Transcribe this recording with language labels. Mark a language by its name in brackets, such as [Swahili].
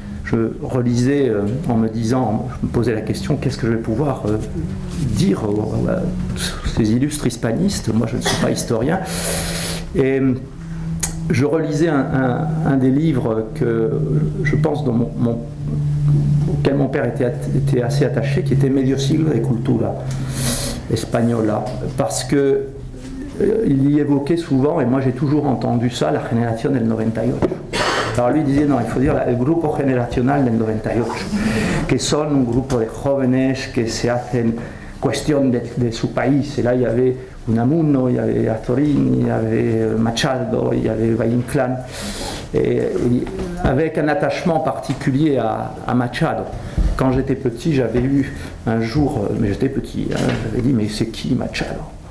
[French] je relisais en me disant, je me posais la question, qu'est-ce que je vais pouvoir dire à ces illustres hispanistes, moi je ne suis pas historien, et je relisais un des livres que je pense dont auquel mon père était assez attaché, qui était [Spanish] Medio siglo de cultura española, [French] parce que il y évoquait souvent, et moi j'ai toujours entendu ça, la génération del 98. Alors lui disait, non, il faut dire le [Spanish] grupo generacional del 98, que son un grupo de jóvenes que se hacen cuestión de su país. [French] Et là, il y avait Unamuno, il y avait Azorini, il y avait Machado, il y avait Valle-Inclán, et avec un attachement particulier à Machado. Quand j'étais petit, j'avais eu un jour, mais j'étais petit, hein, j'avais dit, mais c'est qui Machado?